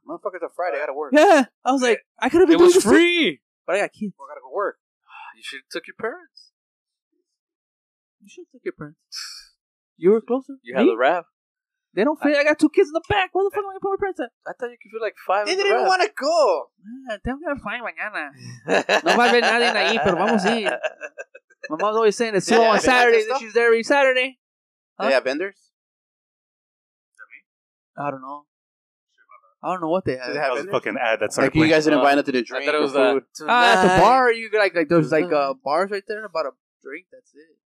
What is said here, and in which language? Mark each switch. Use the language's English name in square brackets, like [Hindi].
[English] Motherfuckers are Friday. I gotta work. Yeah. I was like, I could have been doing this. It was free. But I got kids. I gotta go work. You should have took your parents. You should have took your parents. You were closer. You had the rap. They don't fit. I got two kids in the back. Where the fuck am I going to put my parents at? I thought you could feel like five. They didn't want to go. Yeah, they're going to find [Spanish] mañana. No va a haber nadie ahí, pero vamos a ir. [English] My mom's always saying it's slow on Saturday, and she's there every Saturday. Huh? They have vendors? I don't know. I don't know what they have. That was a fucking ad that started. Like, you guys didn't buy nothing to drink. I thought it was food. At the bar, you like there's like bars right there about a drink. That's it.